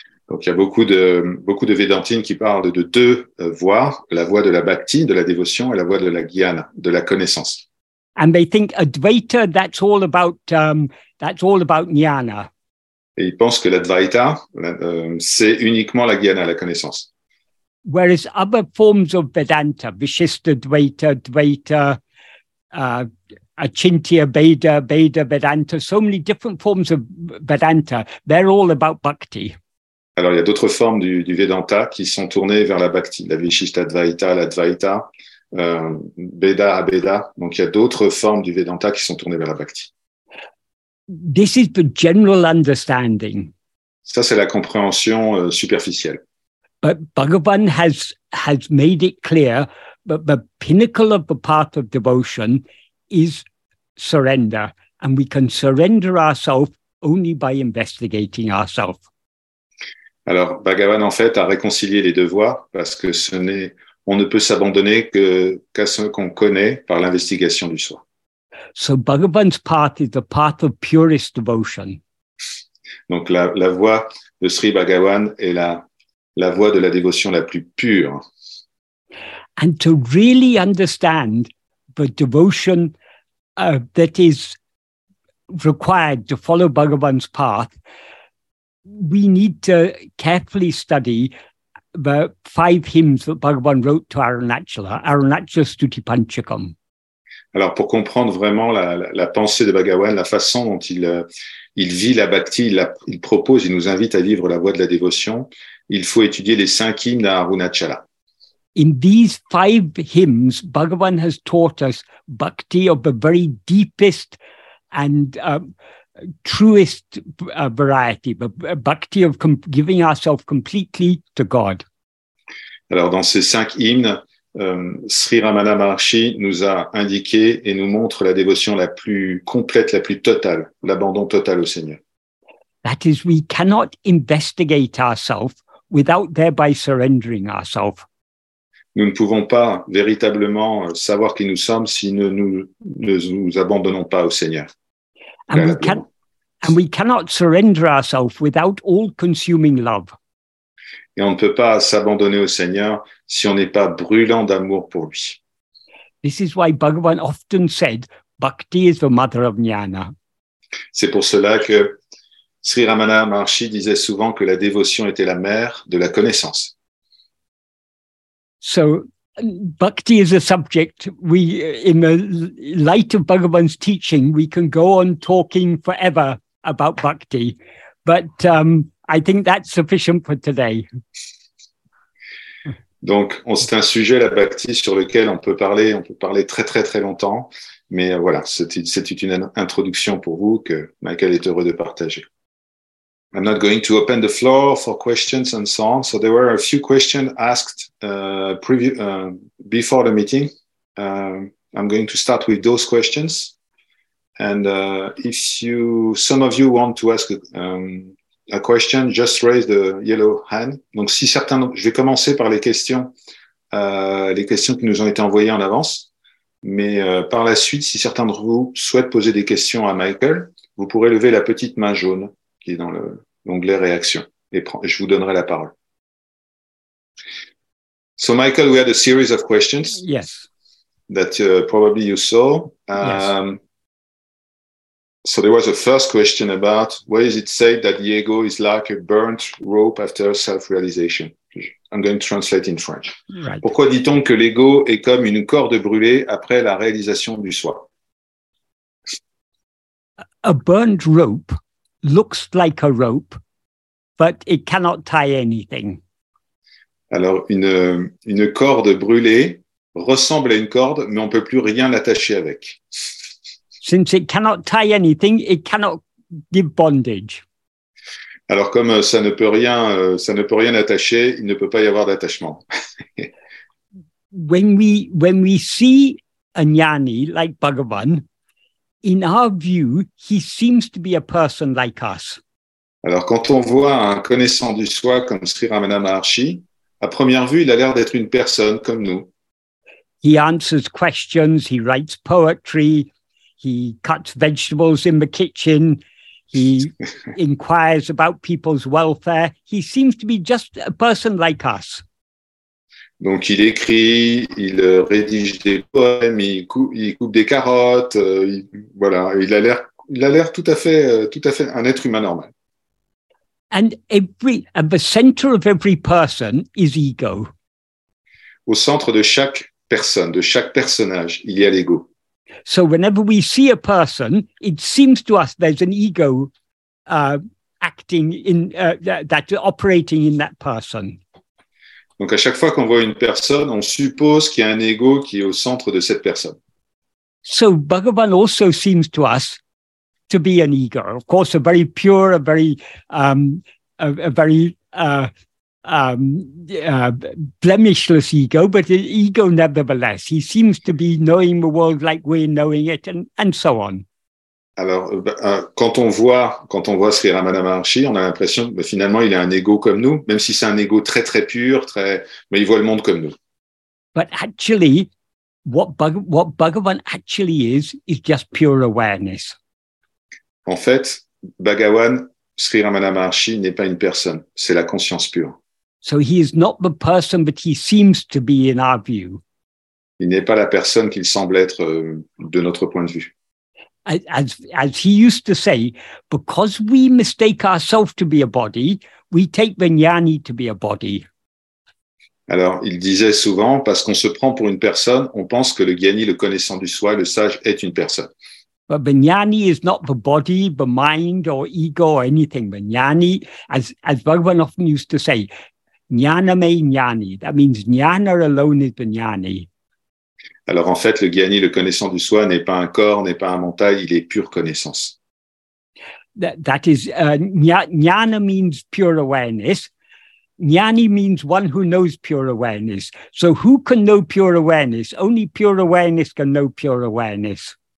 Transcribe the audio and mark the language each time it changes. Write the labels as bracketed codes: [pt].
[fr] Donc il y a beaucoup de Vedantins qui parlent de deux voies, la voie de la bhakti, de la dévotion, et la voie de la jnana, de la connaissance. [en] And they think Advaita, that's all about jnana. [fr] Et ils pensent que l'Advaita, c'est uniquement la jnana, la connaissance. [en] Whereas other forms of Vedanta, Vishishta Dvaita, Dvaita, Achintya Veda, Veda Vedanta, so many different forms of Vedanta, they're all about bhakti. [fr] Alors il y a d'autres formes du Vedanta qui sont tournées vers la bhakti, la Vishishta Dvaita, l'Advaita, Veda, Abeda. Donc il y a d'autres formes du Vedanta qui sont tournées vers la bhakti. [en] This is the general understanding. [fr] Ça, c'est la compréhension superficielle. [en] But Bhagavan has made it clear that the pinnacle of the path of devotion is surrender, and we can surrender ourselves only by investigating ourselves. [fr] Alors, Bhagavan, en fait, a réconcilié les deux voies, parce que on ne peut s'abandonner qu'à ce qu'on connaît par l'investigation du soi. [en] So Bhagavan's path is the path of purest devotion. [fr] Donc la voie de Sri Bhagavan est la voie de la dévotion la plus pure. [en] And to really understand the devotion that is required to follow Bhagavan's path, we need to carefully study the five hymns that Bhagavan wrote to Arunachala, Arunachala Stuti Panchakam. [fr] Alors, pour comprendre vraiment la pensée de Bhagavan, la façon dont il vit la bhakti, il propose, il nous invite à vivre la voie de la dévotion, il faut étudier les cinq hymnes d'Arunachala. [en] In these five hymns, Bhagavan has taught us bhakti of the very deepest and truest variety, the bhakti of giving ourselves completely to God. [fr] Alors, dans ces cinq hymnes, Sri Ramana Maharshi nous a indiqué et nous montre la dévotion la plus complète, la plus totale, l'abandon total au Seigneur. [en] That is, we cannot investigate ourselves without thereby surrendering ourselves. [fr] Nous ne pouvons pas véritablement savoir qui nous sommes si nous ne nous abandonnons pas au Seigneur. [en] And we cannot surrender ourselves without all-consuming love. [fr] Et on ne peut pas s'abandonner au Seigneur si on n'est pas brûlant d'amour pour lui. [en] This is why Bhagavan often said, "Bhakti is the mother of jnana." [fr] C'est pour cela que Sri Ramana Maharshi disait souvent que la dévotion était la mère de la connaissance. [en] So, bhakti is a subject we, in the light of Bhagavan's teaching, we can go on talking forever about bhakti, but I think that's sufficient for today. [fr] Donc, c'est un sujet, la bhakti, sur lequel on peut parler très très très longtemps, mais voilà, c'est une introduction pour vous que Michael est heureux de partager. [en] I'm not going to open the floor for questions and so on. So there were a few questions asked before the meeting. I'm going to start with those questions. And if some of you want to ask a question, just raise the yellow hand. [fr] Donc si certains, je vais commencer par les questions qui nous ont été envoyées en avance. Mais par la suite, si certains de vous souhaitent poser des questions à Michael, vous pourrez lever la petite main jaune qui est dans l'onglet réaction. Et je vous donnerai la parole. [en] So Michael, we had a series of questions. Yes. That probably you saw. Yes. So there was a first question about why is it said that the ego is like a burnt rope after self-realization? I'm going to translate in French. Right. [fr] Pourquoi dit-on que l'ego est comme une corde brûlée après la réalisation du soi? [en] A burnt rope looks like a rope, but it cannot tie anything. [fr] Alors, une corde brûlée ressemble à une corde, mais on ne peut plus rien l'attacher avec. [en] Since it cannot tie anything, it cannot give bondage. [fr] Alors comme ça ne peut rien attacher, il ne peut pas y avoir d'attachement. [en] when we see a jnani like Bhagavan, in our view, he seems to be a person like us. [fr] Alors, quand on voit un connaissant du soi comme Sri Ramana Maharshi, à première vue, il a l'air d'être une personne comme nous. [en] He answers questions, he writes poetry, he cuts vegetables in the kitchen, he inquires about people's welfare. He seems to be just a person like us. [fr] Donc, il écrit, il rédige des poèmes, il coupe des carottes, il a l'air tout à fait un être humain normal. [en] And the center of every person is ego. [fr] Au centre de chaque personne, de chaque personnage, il y a l'ego. [en] So whenever we see a person, it seems to us there's an ego operating in that person. [fr] Donc à chaque fois qu'on voit une personne, on suppose qu'il y a un ego qui est au centre de cette personne. [en] So Bhagavan also seems to us to be an ego. Of course, a very pure, blemishless ego, but an ego nevertheless. He seems to be knowing the world like we're knowing it, and so on. [fr] Alors, quand on voit Sri Ramana Maharshi, on a l'impression que finalement il a un ego comme nous, même si c'est un ego très très pur, très, mais il voit le monde comme nous. [en] But actually, what Bhagavan actually is just pure awareness. [fr] En fait, Bhagavan, Sri Ramana Maharshi, n'est pas une personne, c'est la conscience pure. [en] So he is not the person, but he seems to be in our view. [fr] Il n'est pas la personne qu'il semble être de notre point de vue. [en] As he used to say, because we mistake ourselves to be a body, we take the jnani to be a body. [fr] Alors, il disait souvent, parce qu'on se prend pour une personne, on pense que le jnani, le connaissant du soi, le sage, est une personne. [en] But the jnani is not the body, the mind, or ego, or anything. The jnani, as Bhagavan often used to say, [sa] jnaname jnani, [en] that means jnana alone is the jnani. [fr] Alors en fait, le jnani, le connaissant du soi, n'est pas un corps, n'est pas un mental, il est pure connaissance. [en] Jnana means pure awareness. Jnani means one who knows pure awareness. So who can know pure awareness? Only pure awareness can know pure awareness.